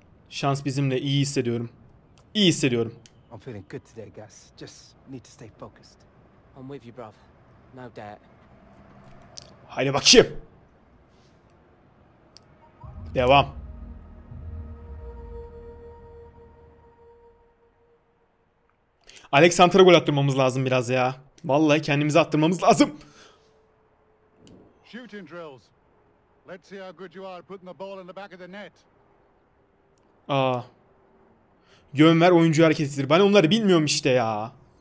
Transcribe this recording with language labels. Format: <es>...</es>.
<tr>Şans bizimle, iyi hissediyorum. İyi hissediyorum.</tr> <en>I'm feeling good today, Gus. Just need to stay focused. I'm with you, brother. No doubt.</en> <tr>Haydi bakayım. Devam. Alexander'a gol attırmamız lazım biraz ya. Vallahi kendimize attırmamız lazım.</tr> <en>Shooting drills. Let's see how good you are putting the ball in the back of the net. Aa.</en> <tr>Yön ver oyuncu hareketidir. Ben onları bilmiyorum işte ya.</tr>